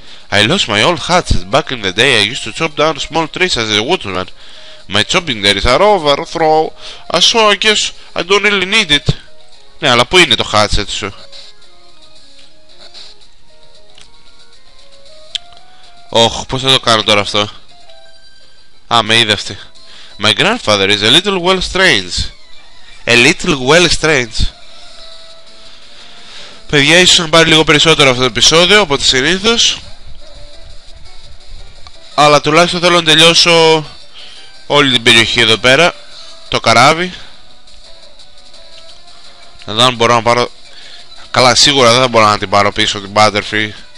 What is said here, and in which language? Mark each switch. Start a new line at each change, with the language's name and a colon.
English: I lost my old hatchet back in the day. I used to chop down small trees as a woodsman. My chopping days are over, throw. So I guess I don't really need it.
Greek: Ναι, αλλά πού είναι το hatchet σου. Ωχ, πώς θα το κάνω τώρα αυτό. Α, με είδε αυτή.
English: My grandfather is a little well strange. A little well strange.
Greek: Παιδιά, ίσως να πάρει λίγο περισσότερο αυτό το επεισόδιο από τη συνήθως. Αλλά τουλάχιστον θέλω να τελειώσω όλη την περιοχή εδώ πέρα. Το καράβι. Να δω αν μπορώ να πάρω. Καλά σίγουρα δεν θα μπορώ να την πάρω πίσω την Butterfree.